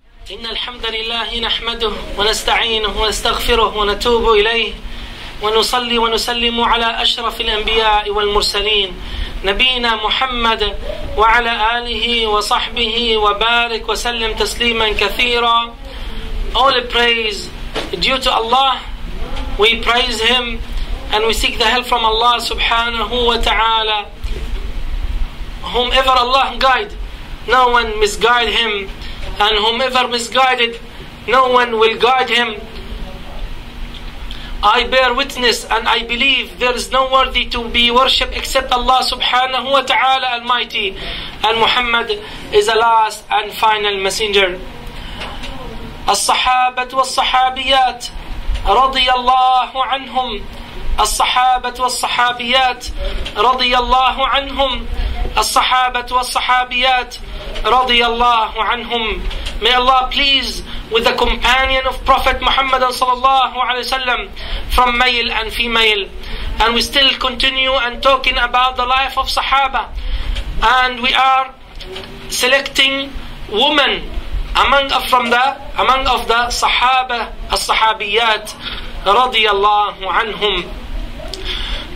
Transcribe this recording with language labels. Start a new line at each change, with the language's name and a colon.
Arabic: إن الحمد لله نحمده ونستعينه ونستغفره ونتوب إليه ونصلي ونسلم على أشرف الأنبياء والمرسلين نبينا محمد وعلى آله وصحبه وبارك وسلم تسليما كثيرا.
English: All praise due to Allah, we praise Him and we seek the help from Allah subhanahu wa ta'ala. Whomever Allah guide, no one misguide him, and whomever misguided, no one will guide him. I bear witness and I believe there is no worthy to be worshipped except Allah subhanahu wa ta'ala Almighty, and Muhammad is the last and final messenger.
Arabic: الصحابة والصحابيات رضي الله عنهم الصحابة والصحابيات رضي الله عنهم الصحابة والصحابيات رضي الله عنهم.
English: May Allah please with the companion of Prophet Muhammad sallallahu alaihi wasallam from male and female. And we still continue and talking about the life of Sahaba, and we are selecting women among the Sahaba, as-Sahabiyat, radiyallahu anhum.